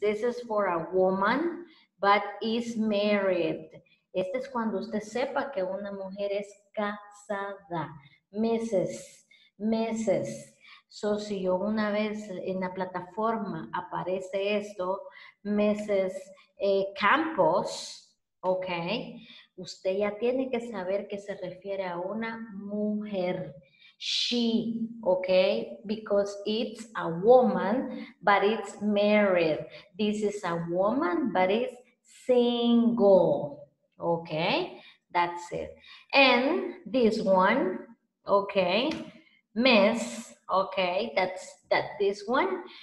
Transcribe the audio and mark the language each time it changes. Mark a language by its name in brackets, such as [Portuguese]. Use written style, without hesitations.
[English] This is for a woman, but is married. [Spanish] Este es cuando usted sepa que una mujer es casada. Mrs. Mrs. So, si yo una vez en la plataforma aparece esto, Mrs. Campos, okay, usted ya tiene que saber que se refiere a una mujer. [English] She, okay, because it's a woman, but it's married. This is a woman, but it's single, okay? That's it. And this one, okay, miss, okay, that's this one.